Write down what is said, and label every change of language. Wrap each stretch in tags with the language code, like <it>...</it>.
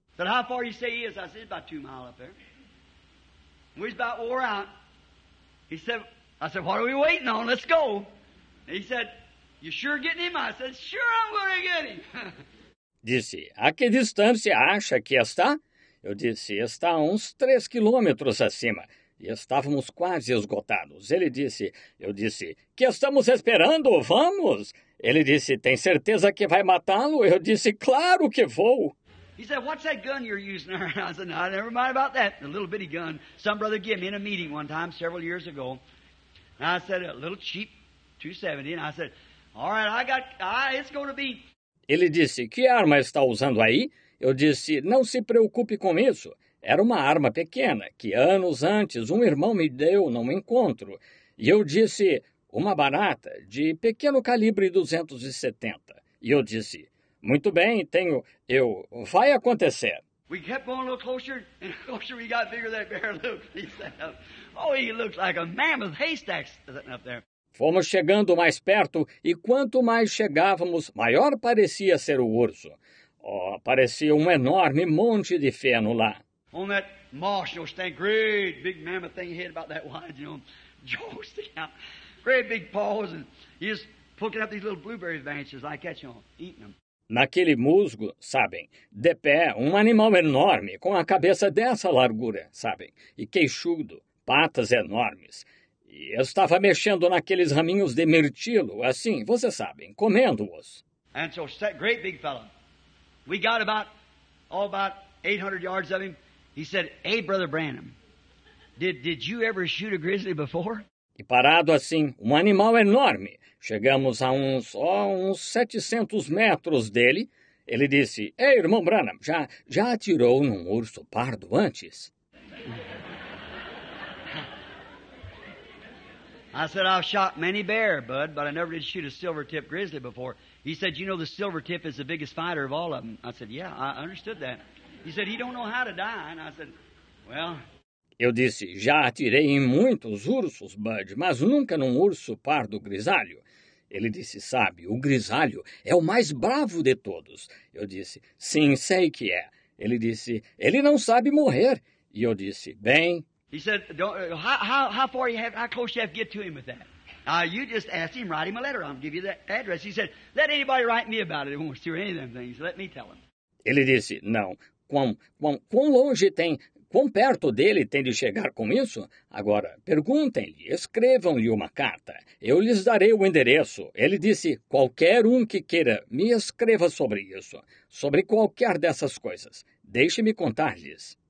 <en>Said, how far you say he is? I said, about 2 miles up there. We was about wore out. He said, I said, what are we waiting on? Let's go. And he said, you sure getting him? I said, sure I'm going to get him.</en> <pt>Disse, a que distância acha que está? Eu disse, está uns 3 quilômetros acima. E estávamos quase esgotados. Ele disse, eu disse, que estamos esperando? Vamos. Ele disse, tem certeza que vai matá-lo? Eu disse, claro que vou.</pt> <en>He said, what's that gun you're using? I said, no, never mind about that. A little bitty gun. Some brother gave me in a meeting one time several years ago. And I said, a little cheap, 270. And I said, all right, it's going to be.</en> <pt>Ele disse, que arma está usando aí? Eu disse, não se preocupe com isso. Era uma arma pequena que anos antes um irmão me deu num encontro. E eu disse, uma barata de pequeno calibre 270. E eu disse, muito bem, vai acontecer.</pt> <en>We kept going a little closer, and the closer we got, bigger that bear looked. He said, oh, he looks like a mammoth haystack sitting up there.</en> <pt>Fomos chegando mais perto, e quanto mais chegávamos, maior parecia ser o urso. Oh, parecia um enorme monte de feno lá.</pt> <en>On that marsh, you'll stand great big mammoth thing, head about that wide, you know, sticking out, great big paws, and he's poking up these little blueberry branches like that, you know, eating them.</en> <pt>Naquele musgo, sabem, de pé, um animal enorme, com a cabeça dessa largura, sabem, e queixudo, patas enormes. E eu estava mexendo naqueles raminhos de mirtilo, assim, vocês sabem, comendo-os.</pt> <en>And so, great big fellow, we got about 800 yards of him. He said, hey, Brother Branham, did you ever shoot a grizzly before?</en> <pt>E parado assim, um animal enorme. Chegamos a uns 700 metros dele. Ele disse, ei, irmão Branham, já atirou num urso pardo antes?</pt> <en>I said, I've shot many bear, bud, but I never did shoot a silver-tip grizzly before. He said, you know, the silver-tip is the biggest fighter of all of them. I said, yeah, I understood that. He said, he don't know how to die. And I said, well...</en> <pt>Eu disse, já atirei em muitos ursos, Bud, mas nunca num urso pardo grisalho. Ele disse, sabe, o grisalho é o mais bravo de todos. Eu disse, sim, sei que é. Ele disse, ele não sabe morrer. E eu disse, bem...</pt> <en>He said, how close you have to get to him with that? You just ask him, write him a letter, I'll give you the address. He said, let anybody write me about it, it won't steer any of them things, let me tell him.</en> <pt>Ele disse, não, quão longe tem, quão perto dele tem de chegar com isso? Agora, perguntem-lhe, escrevam-lhe uma carta, eu lhes darei o endereço. Ele disse, qualquer um que queira, me escreva sobre isso, sobre qualquer dessas coisas, deixe-me contar-lhes.</pt>